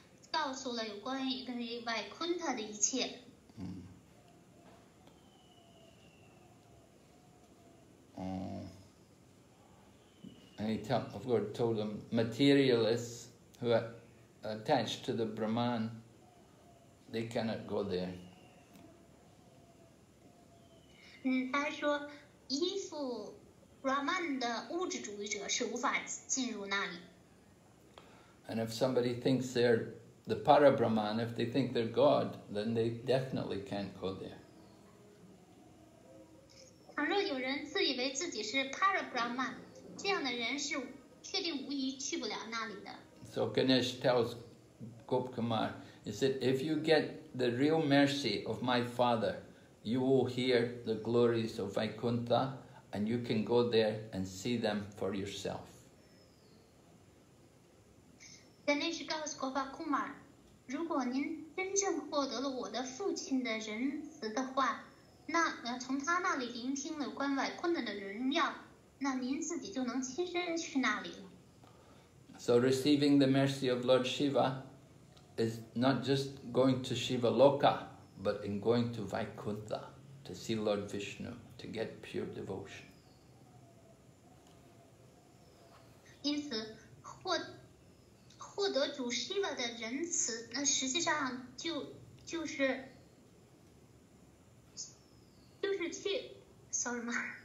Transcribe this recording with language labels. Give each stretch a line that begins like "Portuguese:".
Chinese: 告诉了有关于跟这外昆特的一切。
English: And he tell, of course, told them materialists who are attached to the Brahman, they cannot go there.
Chinese: 他说，依附 Brahman 的物质主义者是无法进入那里。
English: And if somebody thinks they're the Parabrahman, if they think they're God, then they definitely can't go there.
Chinese: 倘若有人自以为自己是 Parabrahman。这样的人是确定无疑去不了那里的。
English: So Ganesh tells Gop Kumar, he said, if you get the real mercy of my father, you will hear the glories of Vaikuntha, and you can go there and see them for yourself.
Chinese: Ganesh 告诉 Gop Kumar, 如果您真正获得了我的父亲的仁慈的话，那从他那里聆听了关于 Vaikuntha 的荣耀。那您自己就能亲身去那里了。
English: So receiving the mercy of Lord Shiva is not just going to Shiva Loka, but in going to Vaikuntha to see Lord Vishnu to get pure devotion.
Chinese: 因此，获得主 Shiva 的仁慈，那实际上就是去 ，
English: sorry
Chinese: 吗？